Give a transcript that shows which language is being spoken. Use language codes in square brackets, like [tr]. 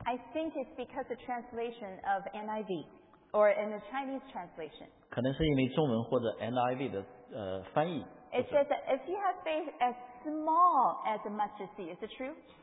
[en] I think it's because the translation of NIV or in the Chinese translation. [zh] 可能是因为中文或者 NIV 的翻译。 [en] It says that if you have faith as small as a mustard seed, is it true?